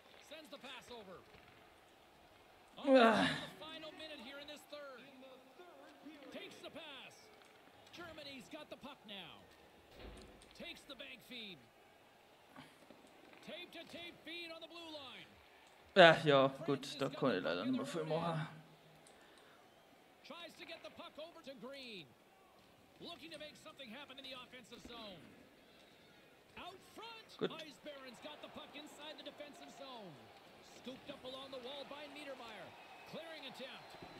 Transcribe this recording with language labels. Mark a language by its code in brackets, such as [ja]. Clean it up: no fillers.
[en] Sends the pass over. Oh, ah. The final minute here in this third. Takes the pass. Germany's got the puck now. Takes the bank feed. Tape to tape feed on the blue line. [de] Ah, ja, gut, da konnte ich leider nicht mehr viel machen. [en] Tries to get the puck over to Green. Looking to make something happen in the offensive zone. Out front, good. Ice Baron's got the puck inside the defensive zone. Scooped up along the wall by Niedermeyer. Clearing attempt.